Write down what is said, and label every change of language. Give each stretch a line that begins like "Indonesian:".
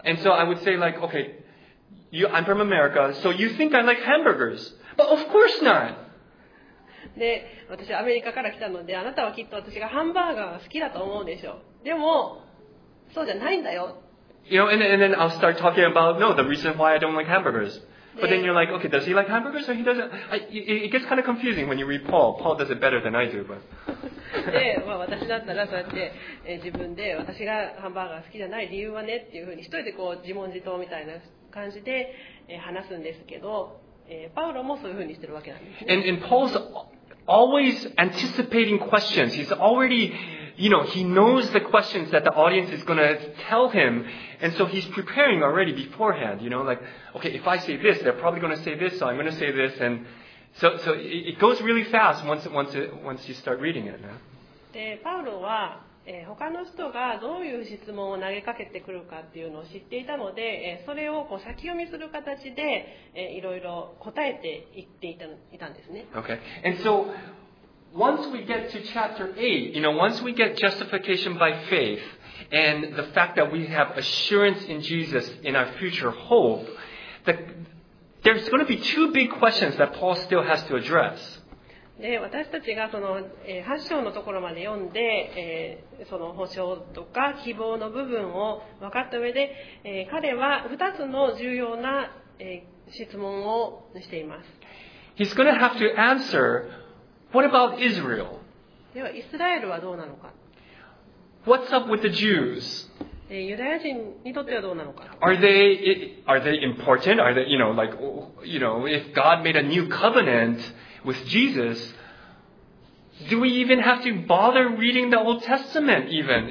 English: And so I would say like, okay, I'm from America, so you think I like hamburgers? But of course not.
Japanese: で、私はアメリカから来たので、あなたはきっと私がハンバーガーが好きだと思うでしょう。でも、そうじゃないんだよ。
English: You know, and then I'll start talking about no, the reason why I don't like hamburgers. But then you're like, okay, does he like hamburgers or he doesn't? It gets kind of confusing when you read Paul. Paul does it better than I do, but.
Japanese: で、まあ私だったらそうやって自分で私がハンバーガー好きじゃない理由はねっていうふうに一人でこう自問自答みたいな感じで話すんですけど、パウロもそういうふうにしてるわけなんですね。
English: And Paul's always anticipating questions. He's already. You know, he knows the questions that the audience is going to tell him, and so he's preparing already beforehand. You know, like, okay, if I say this, they're probably going to say this, so I'm going to say this, and so it goes really fast once you start reading it.
Japanese: で、パウロは、他の人がどういう質問を投げかけてくるかっていうのを知っていたので、それをこう先読みする形で、いろいろ答えていっていたんですね。
English: Okay, and so. Once we get to chapter 8, you know, once we get justification by faith and the fact that we have assurance in Jesus in our future hope, there's going to be two big questions that Paul still has to address.
Japanese: で、私たちがその、8章のところまで読んで、その保証とか希望の部分を分かった上で、彼は2つの重要な、質問をしています。
English: He's going to have to answerWhat about Israel?
Japanese: では、イスラエルはどうなのか?
English: What's up with the Jews?
Japanese: ユダヤ人にとってはどうなのか?
English: Are they important? Are they, you know, like, you know, if God made a new covenant with Jesus, do we even have to bother reading the Old Testament even?